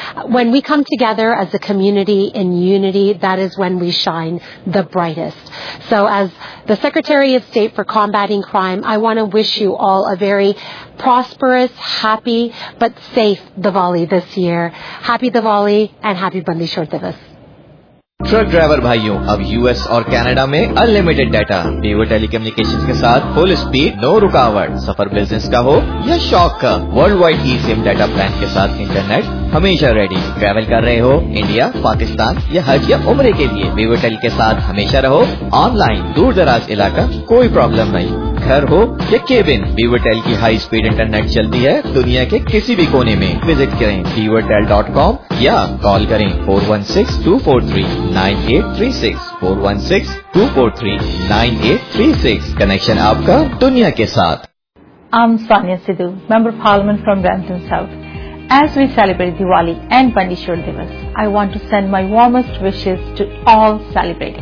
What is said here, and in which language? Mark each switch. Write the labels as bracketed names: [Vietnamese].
[English] When we come together as a community in unity, that is when we shine the brightest. So as the Secretary of State for Combating Crime, I want to wish you all a very prosperous, happy, but safe Diwali this year. Happy Diwali and happy Bandi Chhor Divas. [Hindi] Truck driver भाइयों, अब US और Canada में unlimited data, Vivo telecommunications के साथ full speed, no रुकावट। सफर business का हो या शौक का, वर्ल्ड वाइड ई सिम डाटा प्लान के साथ इंटरनेट हमेशा रेडी। ट्रैवल कर रहे हो इंडिया, पाकिस्तान या हज या उमरे के लिए, वीवो टेल के साथ हमेशा रहो ऑनलाइन, दूर दराज इलाका कोई प्रॉब्लम नहीं। घर हो या केबिन, वीवो टेल की हाई स्पीड इंटरनेट चलती है दुनिया के किसी भी कोने में। विजिट करें vivotel.com या कॉल करें 416-243-9836, 416-243-9836। कनेक्शन आपका दुनिया के साथ। [English] I'm Sonia Sidhu, Member of Parliament from Brampton South. As we celebrate Diwali and Bandi Chhor Divas, I want to send my warmest wishes to all celebrating.